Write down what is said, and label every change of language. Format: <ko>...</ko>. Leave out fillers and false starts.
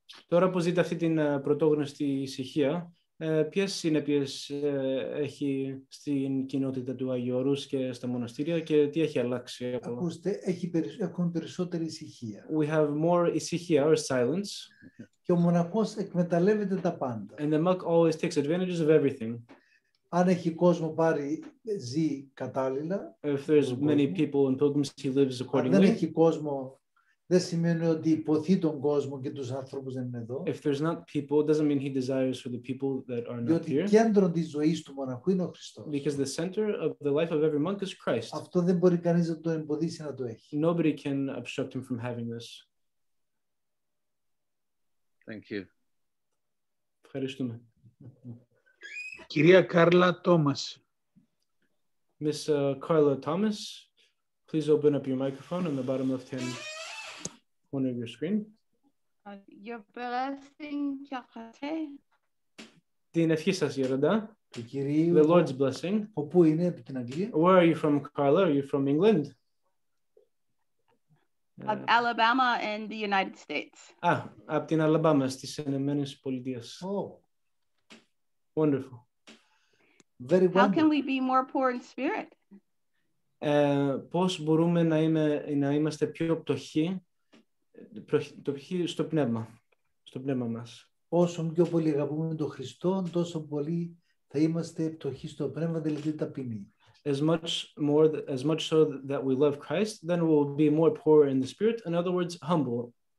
<el>τώρα που ζείτε αυτή την πρωτόγνωστη ησυχία, ποιες συνέπειες έχει στην κοινότητα του Άγιου Όρους και στα μοναστήρια και τι έχει αλλάξει από... Ακούστε, έχουν περισσότερη ησυχία.</el> <en>We have more ησυχία or silence.</en> <el>Και ο μοναχός εκμεταλλεύεται τα πάντα.</el> <en>And the monk always takes advantage of everything.</en> <el>Αν έχει κόσμο πάρει, ζει κατάλληλα.</el> <en>If there's many people in pilgrims, he lives accordingly.</en> <el>Αν δεν έχει κόσμο... Δεν σημαίνει ότι υποθεί τον κόσμο και τους ανθρώπους δεν είναι εδώ.</el> <en>If there's not people, it doesn't mean he desires for the people that are not</en> <el>διότι</el> <en>here.</en> <el>Διότι κέντρο της ζωής του μοναχού είναι ο Χριστός.</el> <en>Because the center of the life of every monk is Christ.</en> <el>Αυτό δεν μπορεί κανείς να το εμποδίσει να το έχει.</el> <en>Nobody can obstruct him from having this. Thank you.</en> <el>Ευχαριστούμε. Κυρία Κάρλα Τόμας.</el> <en>Miss Carla Thomas, please open up your microphone on the bottom left hand corner of your screen. Your blessing, Gerarda.</en> <el>Την ευχή σας, Γεροντά. Του Κυρίου.</el> <en>The Lord's blessing. Από πού είναι, από την Αγγλία. Where are you from, Carla? Are you from England? Of Alabama in the United States.</en> <el>Ah, από την Αλαμπάμα, στις Ηνωμένες Πολιτείες.</el> <en>Oh. Wonderful. Very wonderful. How can we be more poor in spirit?</en> <el>Πώς μπορούμε να είμαστε πιο πτωχοί στο πνεύμα μας. Όσο πιο πολύ αγαπούμε τον Χριστό, τόσο πολύ θα είμαστε πτωχοί στο πνεύμα, δηλαδή ταπεινοί.</el> <en>As much so that we love Christ, then we'll be more poor in the spirit, in other words, humble.</en>